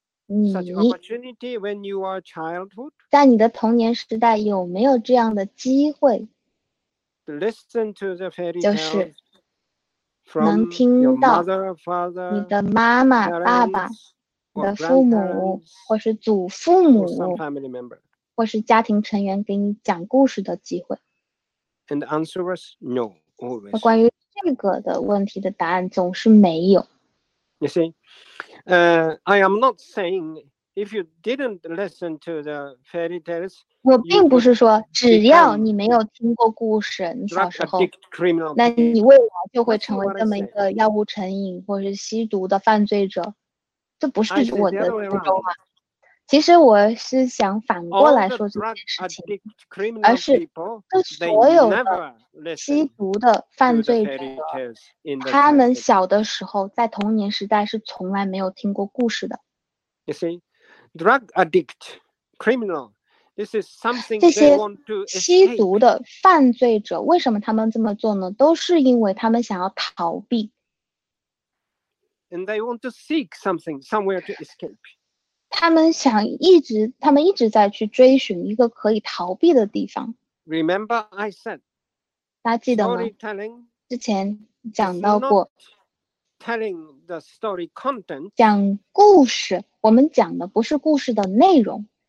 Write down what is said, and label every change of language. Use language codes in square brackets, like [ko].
[en] Did you have such opportunity when you were childhood? [zh] 在你的童年时代有没有这样的机会 [en] ？Listen to the fairy tales. [zh] 就是。能听到你的妈妈、爸爸、你的父母，或是祖父母，或是家庭成员给你讲故事的机会。 [en] And the answer was no, always. [zh] 关于这个的问题的答案总是没有。 [en] You see, I am not saying If you didn't listen to the fairy tales, [zh] 我并不是说只要你没有听过故事，你小时候，那你未来就会成为这么一个药物成瘾或者是吸毒的犯罪者，这不是我的初衷啊。其实我是想反过来说这件事情，而是所有的吸毒的犯罪者，他们小的时候在童年时代是从来没有听过故事的。 [en] You see? Drug addict, criminal. This is something they want to escape. [zh] 这些吸毒的犯罪者为什么他们这么做呢？都是因为他们想要逃避。 [en] And they want to seek something, somewhere to escape. [zh] 他们一直在去追寻一个可以逃避的地方。 [en] Remember I said. [zh] 大家记得吗？之前讲到过。 [en] Telling the story content. [zh] 讲故事。我们讲的不是故事的内容。